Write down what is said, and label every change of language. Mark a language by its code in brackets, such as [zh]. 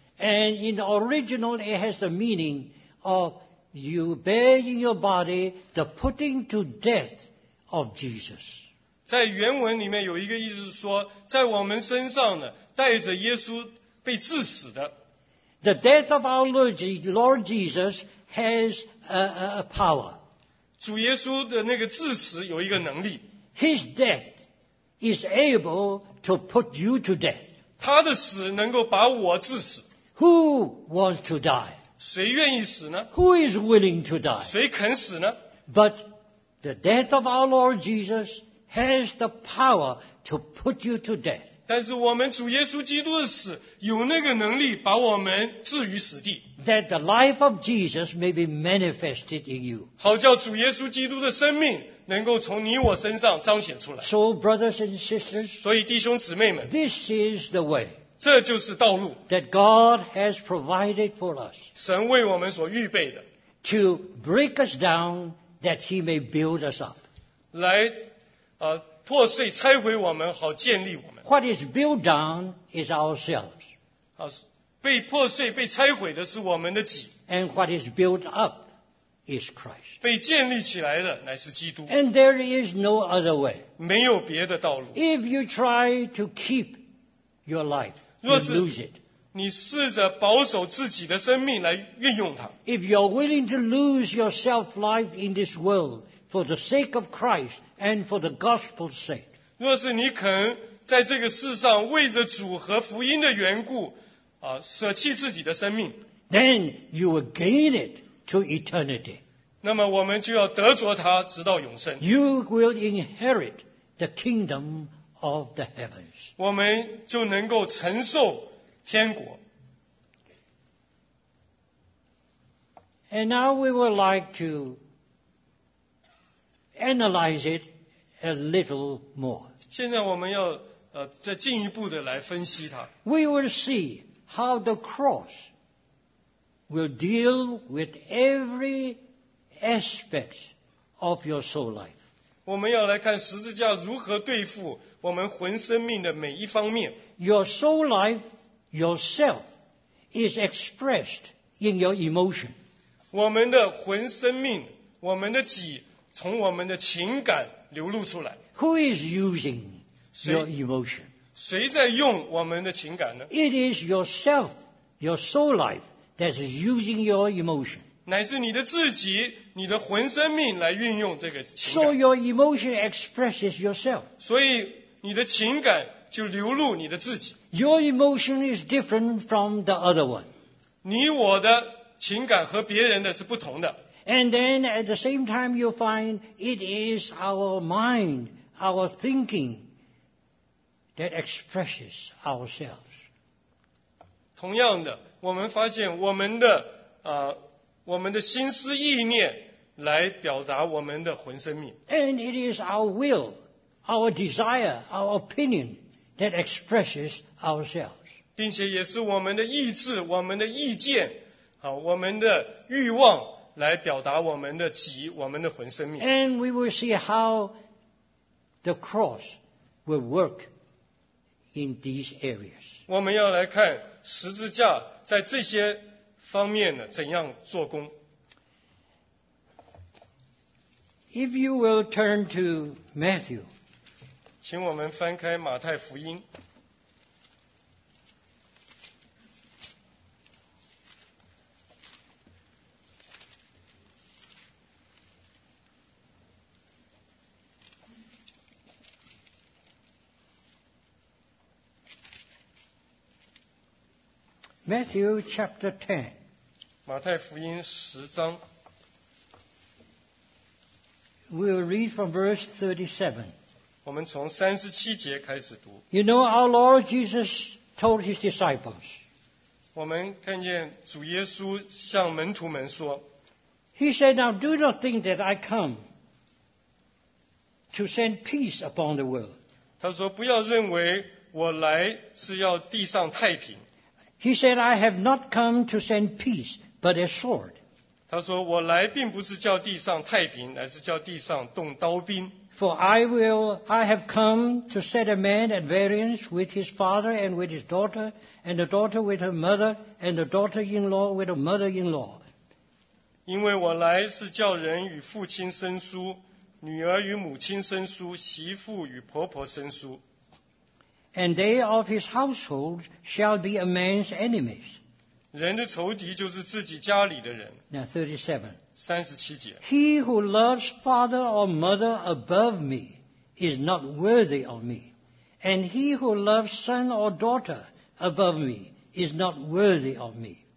[en] And in the original, it has the meaning of you bear in your body the putting to death of Jesus. [zh] 在原文里面有一个意思是说在我们身上呢带着耶稣被致死的。 [en] The death of our Lord Jesus has a power. [zh] 主耶稣的那个致死有一个能力。 [en] His death is able to put you to death. [zh] 他的死能够把我致死。 [en] Who wants to die? [zh] 谁愿意死呢？ [en] Who is willing to die? [zh] 谁肯死呢？ [en] But the death of our Lord Jesus has the power to put you to death. [zh] 但是我们主耶稣基督的死有那个能力把我们置于死地。 [en] That the life of Jesus may be manifested in you. [zh] 好叫主耶稣基督的生命能够从你我身上彰显出来。 [en] So brothers and sisters, [zh] 所以弟兄姊妹们 [en] This is the way. [zh] 这就是道路 [en] That God has provided for us. [zh] 神为我们所预备的 [en] To break us down that he may build us up. [zh] 来破碎拆毁我们好建立我们。 [en] What is built down is ourselves. [zh] 被破碎被拆毁的是我们的己。 [en] And what is built up is Christ. [zh] 被建立起来的乃是基督。 [en] And there is no other way. [zh] 没有别的道路。 [en] If you try to keep your life, you lose it. [zh] 你试着保守自己的生命来运用它。 [en] If you're willing to lose your self-life in this world for the sake of Christ and for the gospel's sake, [zh] 若是你肯在这个世上为着主和福音的缘故舍弃自己的生命 [en] Then you will gain it to eternity. [zh] 那么我们就要得着它直到永生。 [en] You will inherit the kingdom of the heavens. [zh] 我们就能够承受天国。 [en] And now we would like to analyze it a little more. [zh] 现在我们要再进一步的来分析它。 [en] We will see how the cross will deal with every aspect of your soul life. [zh] 我们要来看十字架如何对付我们魂生命的每一方面。 [en] Your soul life yourself is expressed in your emotion. [zh] 我们的魂生命，我们的己，从我们的情感流露出来。 [en] Who is using your emotion? [zh] 谁在用我们的情感呢? [en] It is yourself, your soul life, that is using your emotion. [zh] 乃是你的自己，你的魂生命来运用这个情感。 [en] So your emotion expresses yourself. [zh] 所以你的情感就流露你的自己。 [en] Your emotion is different from the other one. [zh] 你我的情感和别人的是不同的。 [en] And then at the same time you find it is our mind, our thinking that expresses ourselves. [zh] 同样的，我们发现我们的心思意念来表达我们的魂生命。 [en] And it is our will, our desire, our opinion that expresses ourselves. [zh] 并且也是我们的意志，我们的意见，我们的欲望来表达我们的己，我们的魂生命。 [en] And we will see how the cross will work in these areas. [zh] 我们要来看十字架在这些方面呢怎样做工。 [en] If you will turn to Matthew, [zh] 请我们翻开马太福音。 [en] Matthew chapter 10. [zh] 马太福音十章。 [en] We'll read from verse 37. [zh] 我们从三十七节开始读。 [en] You know, our Lord Jesus told his disciples. [zh] 我们看见主耶稣向门徒们说。 [en] He said, now do not think that I come to send peace upon the world. [zh] 他说不要认为我来是要地上太平。 [en] He said, I have not come to send peace, but a sword. [zh] 他说我来并不是叫地上太平，乃是叫地上动刀兵。 [en] For I have come to set a man at variance with his father and with his daughter, and the daughter with her mother, and the daughter-in-law with her mother-in-law. [zh] 因为我来是叫人与父亲生疏，女儿与母亲生疏，媳妇与婆婆生疏。 [en] And they of his household shall be a man's enemies. [zh] 人的仇敌就是自己家里的人。 [en] Now 37. [zh] 37节。 [en] He who loves father or mother above me is not worthy of me. And he who loves son or daughter above me is not worthy of me.